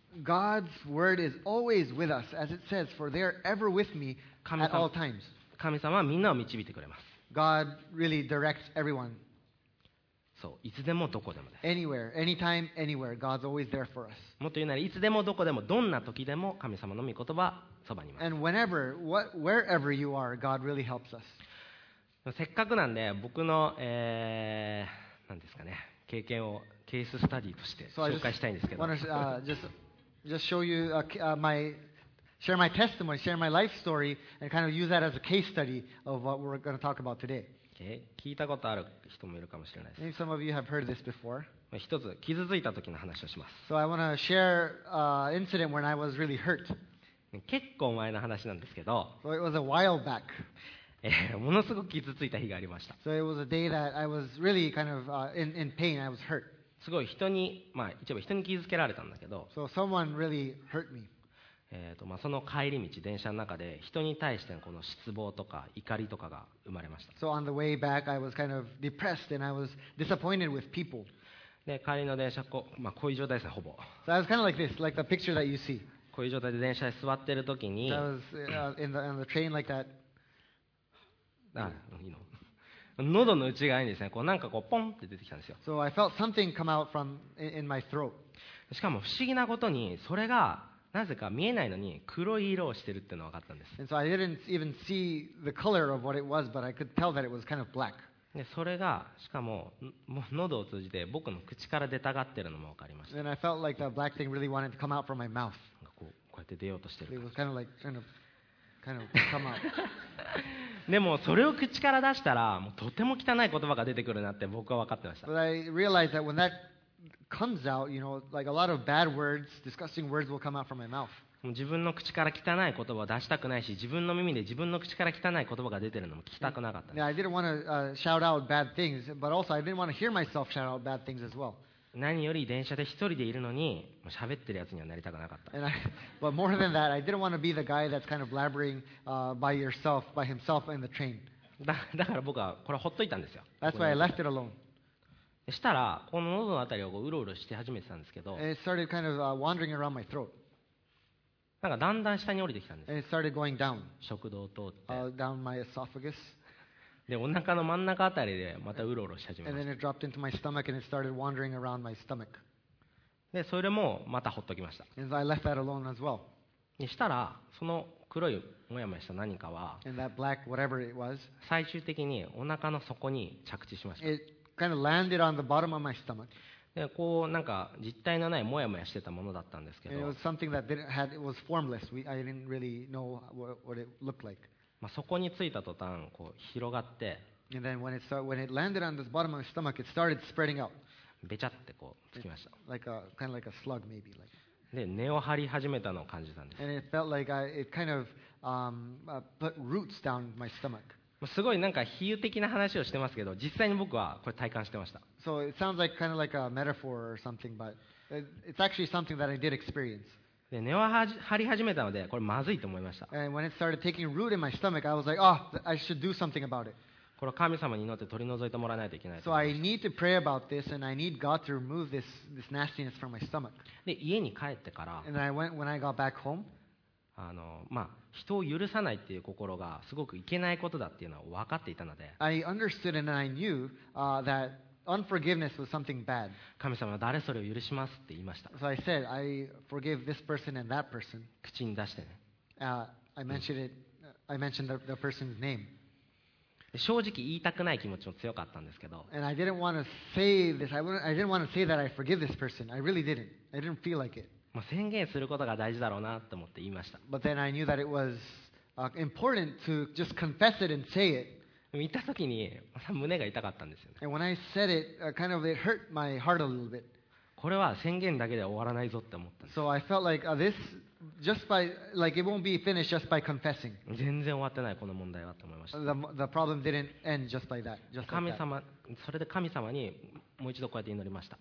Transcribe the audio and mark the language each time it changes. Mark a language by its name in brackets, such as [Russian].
[English] God's word is always with us, as it says, for they are ever with me at all times. [Japanese] 神様はみんなを導いてくれます。 [English] God really directs everyone. [Japanese] そう、いつでもどこでもです。 [English] Anywhere, anytime, anywhere, God's always there for us. [Japanese] もっと言うなら、いつでもどこでもどんな時でも神様の御言葉は。 [English] And whenever, wherever you are, God really helps us. [Japanese] せっかくなんで僕の、なんですかね、経験をケーススタディとして紹介したいんですけど。 [English] So I just wanna just show you share my testimony, share my life story, and kind of use that as a case study of what we're going to talk about today. [Japanese] 聞いたことある人もいるかもしれないです。 [English] Maybe some of you have heard this before. [Japanese] 一つ傷ついた時の話をします。 [English] So I want to share an incident when I was really hurt. [Japanese] 結構前の話なんですけど。 [English] So it was a while back. [Japanese] ものすごく傷ついた日がありました。 [English] So it was a day that I was really kind of in pain. I was hurt. [Japanese] すごい人に、まあ一応人に傷つけられたんだけど。 [English] So someone really hurt me. [Japanese] まあ、その帰り道、電車の中で人に対してのこの失望とか怒りとかが生まれました。 [English] So on the way back, I was kind of depressed and I was disappointed with people. [Japanese] で、帰りの電車、まあ、こういう状態ですね、ほぼ。 [English] So I was kind of like this, like the picture that you see. [Japanese] こういう状態で電車に座ってる時に、 [English] I was in the train like that. [Japanese] あ、いいの。喉の内側にですね、こうなんかこうポンって出てきたんですよ。 [English] So I felt something come out from in my throat. [Japanese] しかも不思議なことに、それがなぜか見えないのに黒い色をしてるっていうのが分かったんです。 [English] And so I didn't even see the color of what it was, but I could tell that it was kind of black. [Japanese] で、それがしかも喉を通じて僕の口から出たがってるのも分かりました。 [English] And I felt like the black thing really wanted to come out from my mouth. [Japanese] こうやって出ようとしてる。 [English] It was kind of like kind of come out. [Japanese] でもそれを口から出したらもうとても汚い言葉が出てくるなって僕は分かってました。 [English] But I realized that when that comes out, you know, like a lot of bad words, disgusting words will come out from my mouth. [Japanese] 自分の口から汚い言葉を出したくないし、自分の耳で自分の口から汚い言葉が出てるのも聞きたくなかった。 [English] Yeah, I didn't want to shout out bad things, but also I didn't want to hear myself shout out bad things as well. [Japanese] 何より電車で一人でいるのに、もう喋ってるやつにはなりたくなかった。 [English] And but more than that, I didn't want to be the guy that's kind of blabbering by himself in the train. [Japanese] だから僕はこれほっといたんですよ。 [English] That's why I left it alone. [Japanese] したらこの喉のあたりをうろうろして始めてたんですけど、なんかだんだん下に降りてきたんです。食道を通って、 [English] down my esophagus. [Japanese] でお腹の真ん中あたりでまたうろうろし始めました。 [English] And then it dropped into my stomach and it started wandering around my stomach. [Japanese] でそれもまたほっときました。 [English] And I left that alone as well. [Japanese] でしたらその黒いもやもやした何かは、 [English] And that black whatever it was, [Japanese] 最終的にお腹の底に着地しました。 [English] Kind of landed on the bottom of my stomach. [Japanese] で、こうなんか実体のないモヤモヤしてたものだったんですけど。 [English] It was something that didn't had it was formless. I didn't really know what it looked like. [Japanese] まあ、そこについた途端こう広がって。 [English] And then when it landed on the bottom of my stomach, it started spreading out. [Japanese] べちゃってこうつきました。 [English] Like a slug maybe like. [Japanese] で、根を張り始めたのを感じたんです。 [English] And it felt like it kind of put roots down my stomach. [Japanese] すごいなんか比喩的な話をしてますけど、実際に僕はこれ体感してました。 [English] So it sounds like kind of like a metaphor or something, but it's actually something that I did experience. [Japanese] で、根を張り始めたので、これまずいと思いました。 [English] And when it started taking root in my stomach, I was like, oh, I should do something about it. [Japanese] これ神様に祈って取り除いてもらわないといけない。 [English] So I need to pray about this, and I need God to remove this nastiness from my stomach. [Japanese] で、家に帰ってから、 [English] And when I got back home, [Japanese] まあ、人を許さないっていう心がすごくいけないことだっていうのは分かっていたので、 [English] I understood and I knew that unforgiveness was something bad. [Japanese] 神様は誰それを許しますって言いました。 [English] So I said, I forgive this person and that person. [Japanese] 口に出してね。 [English] I mentioned the person's name. [Japanese] 正直言いたくない気持ちも強かったんですけど、 [English] And I didn't want to say this. I didn't want to say that I forgive this person. I really didn't. I didn't feel like it. [Japanese] まあ、宣言することが大事だろうなと思って言いました。 [English] But then I knew that it was important to just confess it and say it. [Japanese] 言った時に、また胸が痛かったんですよね。 [English] And when I said it, kind of it hurt my heart a little bit. [Japanese] これは宣言だけでは終わらないぞって思ったんです。 [English] So I felt like this just by like it won't be finished just by confessing. [Japanese] 全然終わってないこの問題はと思いました。 [English] The problem didn't end just by that. [Japanese] それで神様にもう一度こうやって祈りました。